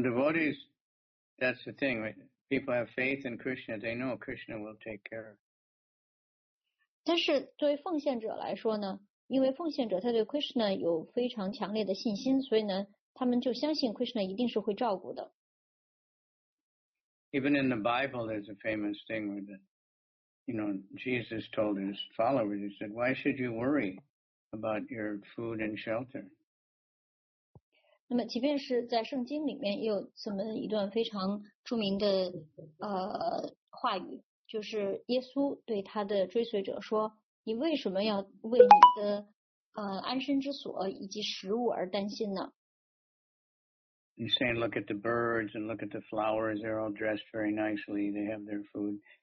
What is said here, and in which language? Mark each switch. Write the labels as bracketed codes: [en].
[en] devotees, that's the thing, right? People have faith in Krishna. They know Krishna will take care. [zh] 但是作为奉献者来说呢，因为奉献者他对 Krishna 有非常强烈的信心，所以呢。他们就相信 Krishna 一定是会照顾的。 [en] Even in the Bible, there's a famous thing where Jesus told his followers, he said, why should you worry about your food and shelter? [zh] 那么即便是在圣经里面也有这么一段非常著名的 话语, 就是耶稣对他的追随者说,你为什么要为你的 安身之所以及食物而担心呢? [en] He's saying, look at the birds and look at the flowers. They're all dressed very nicely. They have their food.